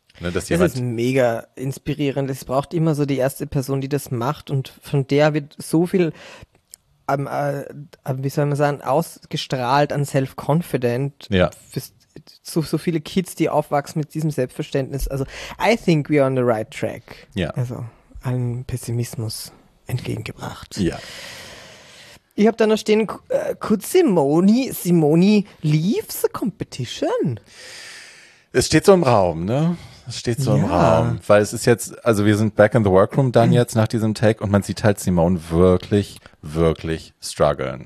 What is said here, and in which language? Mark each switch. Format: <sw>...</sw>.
<de>Ne, dass das ist mega inspirierend. Es braucht immer so die erste Person, die das macht und von der wird so viel wie soll man sagen, ausgestrahlt an self-confident für so viele Kids, die aufwachsen mit diesem Selbstverständnis.</de> <en>Also I think we are on the right track.</en> <de>Ja. Also allen Pessimismus entgegengebracht. Ja. Ich habe da noch stehen, could Simone leave the competition? Es steht so im Raum, ne? Es steht so im Raum, weil es ist jetzt, also wir sind back in the workroom dann jetzt nach diesem Take und man sieht halt Simone wirklich, wirklich strugglen.</de>